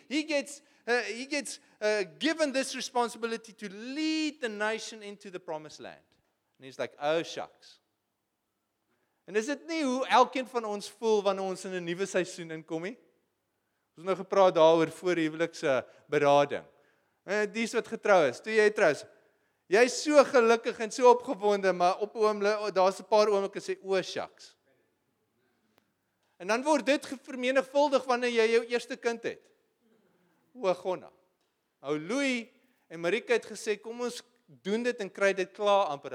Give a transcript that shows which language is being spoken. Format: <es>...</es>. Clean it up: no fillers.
<en>He gets given this responsibility to lead the nation into the promised land. And he's like, "Oh shucks."</en> <af>En is dit nie hoe elkeen van ons voel wanneer ons in 'n nuwe seisoen inkom nie? Ons het nou gepraat daaroor voor huwelikse berading. Dis wat getrou is. Toe jy trou is, jy's so gelukkig en so opgewonde, maar op oomblik daar's 'n paar oomblikke sê,</af> <en>"Oh shucks."</en> <af>En dan word dit vermenigvuldig wanneer jy jou eerste kind het. O, Gonna. Ou Louis en Marika het gesê, kom ons doen dit en kry dit klaar amper.</af>